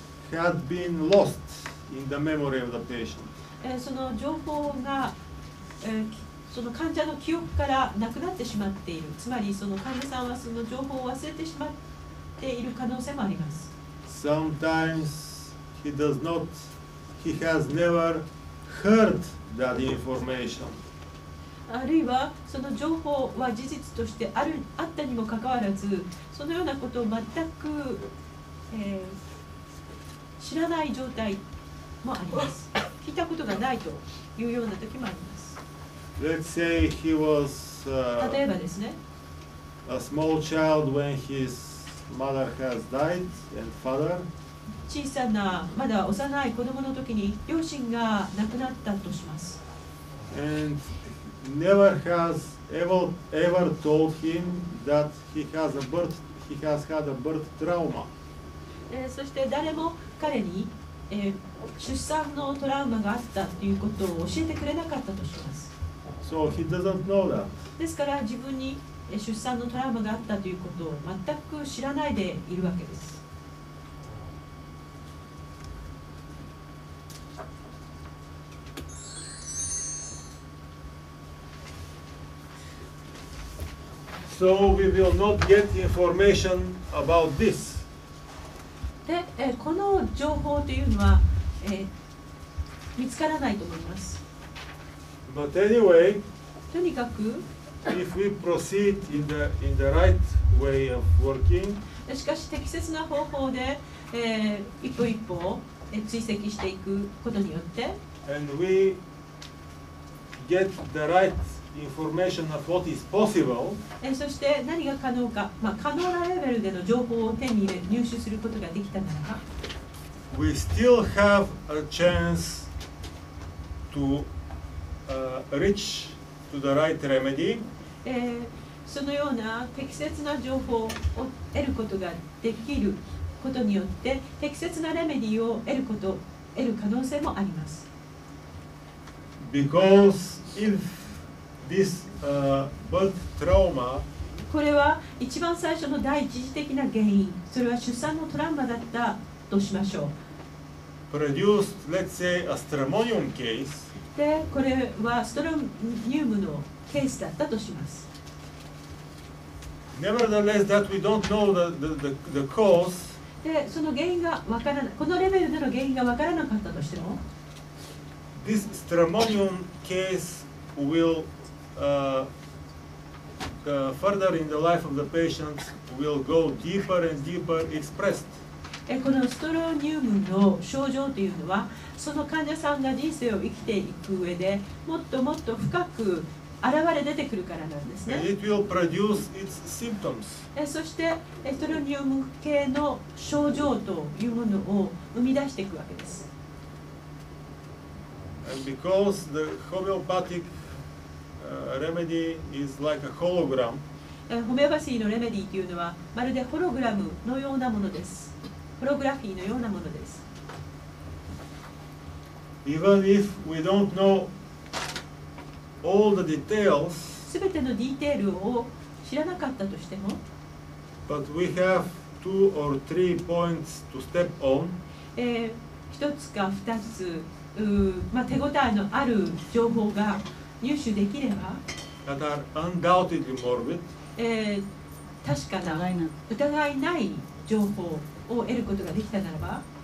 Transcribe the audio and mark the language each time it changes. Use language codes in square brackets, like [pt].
[en] had been lost in the memory of the patient. [ja] その情報が、その患者の記憶からなくなってしまっている。つまりその患者さんはその情報を忘れてしまっている可能性もあります。 [en] Sometimes he has never heard that information. [ja] あるいはその情報は事実としてあったにもかかわらず、そのようなことを全く、知らない状態もあります。聞いたことがないというような時もあります。 [en] Let's say he was a small child when his mother has died and father. [ja] 小さなまだ幼い子供の時に両親が亡くなったとします。 [en] And never has ever told him that he has had a birth trauma. [ja] そして誰も彼に、出産のトラウマがあったということを教えてくれなかったとします。 [en] So he doesn't know that. [ja] ですから自分に出産のトラウマがあったということを全く知らないでいるわけです。 [en] So we will not get information about this. [ja] で、この情報というのは、見つからないと思います。 [en] But anyway, [ja] とにかく [en] if we proceed in the right way of working, [ja] しかし適切な方法で、一歩一歩追跡していくことによって [en] and we get the right information of what is possible, [ja] そして何が可能か、まあ、可能なレベルでの情報を手に入れ入手することができたならば [en] we still have a chance to reach to the right remedy、 [ja] そのような適切な情報を得ることができることによって適切なレメディを得ること得る可能性もあります [en] Because if this birth trauma [ja] これは一番最初の第一次的な原因それは出産のトラウマだったとしましょう [en] Produced, let's say, a stramonium case [ja] でこれはストロニウムのケースだったとします [en] Nevertheless, that we don't know the cause. [ja] で、その原因がわからない、このレベルでの原因がわからなかったとしても、 [en] This stramonium case will further in the life of the patient will go deeper and deeper expressed. [ja] このストロニウムの症状というのは、その患者さんが人生を生きていく上でもっともっと深く現れ出てくるからなんですね。 [en] And it will produce its symptoms. [ja] そしてストロニウム系の症状というものを生み出していくわけです。 [en] And because the homeopathic remedy is like a hologram. [ja] ホメオパシーのレメディというのはまるでホログラムのようなものです。ホログラフィーのようなものです。 [en] Even if we don't know all the details, [ja] 全てのディテールを知らなかったとしても [en] but we have two or three points to step on, [ja] 一つか二つ、まあ、手応えのある情報が入手できれば [en] that are undoubtedly morbid, [ja] 確かな疑いない情報を得ることができたならば